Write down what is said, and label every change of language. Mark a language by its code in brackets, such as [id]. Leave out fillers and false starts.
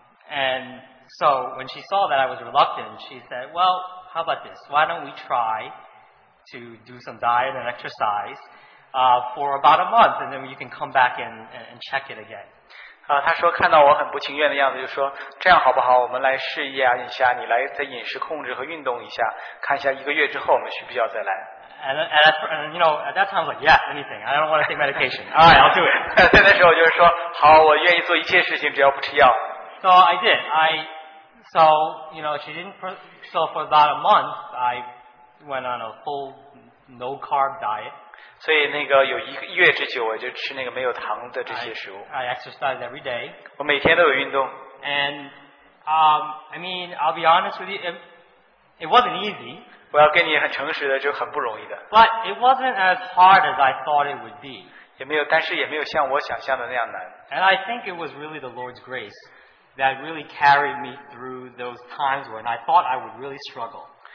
[en] And so when she saw that I was reluctant, she said, well, how about this? Why don't we try to do some diet and exercise for about a month, and then you can come back and check it again. [zh] 他说看到我很不情愿的样子，就说这样好不好？我们来试验一下，你来在饮食控制和运动一下，看一下一个月之后，我们需不需要再来？ [en] And at that time, I was like, yeah, anything. I don't want to take medication. All right, I'll do it. [zh] 在那时候就是说，好，我愿意做一切事情，只要不吃药。 [en] So I did. So for about a month, I went on a full no carb diet. [zh] 所以那个有一个月之久，我就吃那个没有糖的这些食物。 [en] I exercise every day. [zh] 我每天都有运动。 [en] And I mean, I'll be honest with you, it wasn't easy. [zh] 我要跟你很诚实的，就很不容易的。 [en] But it wasn't as hard as I thought it would be. [zh] 也没有，但是也没有像我想象的那样难。 [en] And I think it was really the Lord's grace that really carried me through those times when I thought I would really struggle.